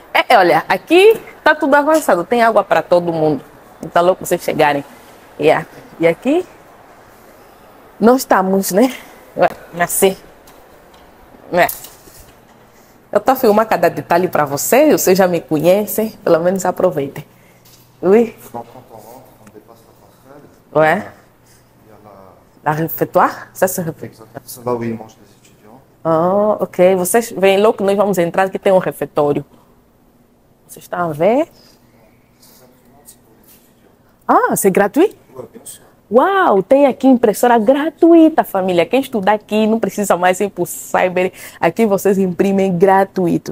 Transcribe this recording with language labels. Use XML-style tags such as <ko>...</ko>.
<pt>Olha, aqui tá tudo avançado, tem água para todo mundo. Tá louco vocês chegarem. Yeah. E aqui, nós estamos, né? Merci. Yeah. Eu tô filmando cada detalhe para vocês, vocês já me conhecem, pelo menos aproveitem.</pt> <fr>Oui? Quando on rentre, on dépasse la passerelle. Ouais. La refeitoire? C'est là où ils mangent les étudiants.</fr> <pt>Ah, ok. Vocês vêm logo, nós vamos entrar, que tem um refeitório. Você está a ver? Ah, isso é gratuito? Uau, tem aqui impressora gratuita, família. Quem estuda aqui não precisa mais ir para o cyber. Aqui vocês imprimem gratuito.</pt>